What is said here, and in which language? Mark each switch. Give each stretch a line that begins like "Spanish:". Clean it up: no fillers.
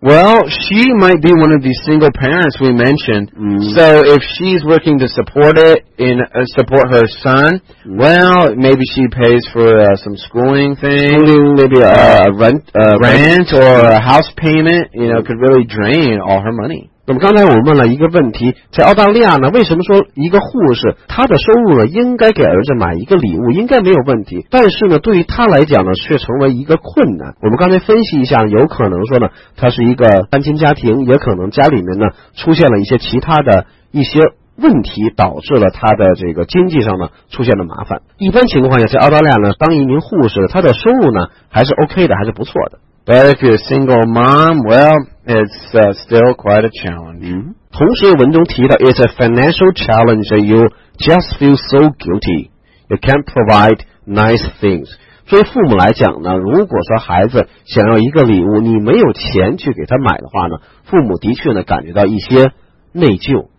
English: Well, she might be one of these single parents we mentioned. So if she's working to support it and support her son, well, maybe she pays for some schooling things. Schooling, maybe a rent or a house payment, you know, could really drain all her money.
Chinese: 那么刚才我问了一个问题，在澳大利亚呢，为什么说一个护士她的收入呢应该给儿子买一个礼物应该没有问题，但是呢对于她来讲呢却成为一个困难。我们刚才分析一下，有可能说呢她是一个单亲家庭，也可能家里面呢出现了一些其他的一些问题，导致了她的这个经济上呢出现了麻烦。一般情况下在澳大利亚呢当一名护士她的收入呢还是 OK 的，还是不错的。
English: But if you're a single mom, well, it's still quite a challenge.
Chinese: 同时文中提到
English: it's a financial challenge that you just feel so guilty. You can't provide nice things.
Chinese: 作为父母来讲呢，如果说孩子想要一个礼物，你没有钱去给他买的话呢，父母的确呢感觉到一些内疚。